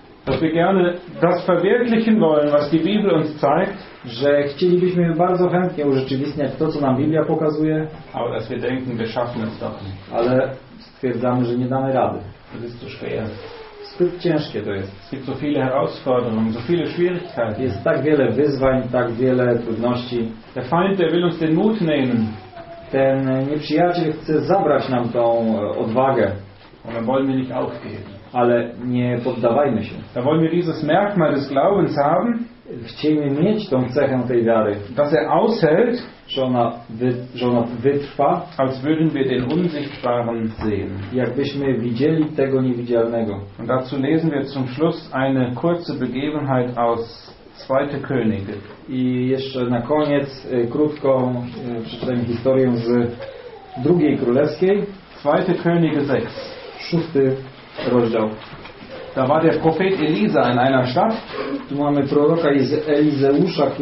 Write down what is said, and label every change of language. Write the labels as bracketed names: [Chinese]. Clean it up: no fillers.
[German] dass wir gerne das verwirklichen wollen, was die Bibel uns zeigt, [Polish] że chcielibyśmy bardzo chętnie urzeczywistniać to, co nam Biblia pokazuje, [German] aber dass wir denken, wir schaffen es doch nicht. [Polish] Ale stwierdzamy, że nie damy rady. [German] Das ist zu schwer. [Polish] Zbyt ciężkie to jest. [German] Es gibt so viele Herausforderungen, so viele Schwierigkeiten. [Polish] Jest tak wiele wyzwań, tak wiele trudności. [German] Der Feind, der will uns den Mut nehmen. [Polish] Ten nieprzyjaciel chce zabrać nam tą odwagę. [German] Und dann wollen wir nicht aufgeben. [Polish] Ale nie poddawajmy się. [German] Da wollen wir dieses Merkmal des Glaubens haben. [Polish] Chcemy mieć tą cechę tej wiary. [German] Dass er aushält, [Polish] że ona wytrwa. [German] Als würden wir den Unsichtbaren sehen. [Polish] Jakbyśmy widzieli tego niewidzialnego. [German] Und dazu lesen wir zum Schluss eine kurze Begebenheit aus Zweite Könige. [Polish] I jeszcze na koniec krótko przeczytajmy historię z Drugiej Królewskiej. [German] Zweite Könige 6. [Polish] Szósty rozdział. [German] Da war der Prophet Elisa in einer Stadt. [Polish] Tu mamy proroka Elizeusza, który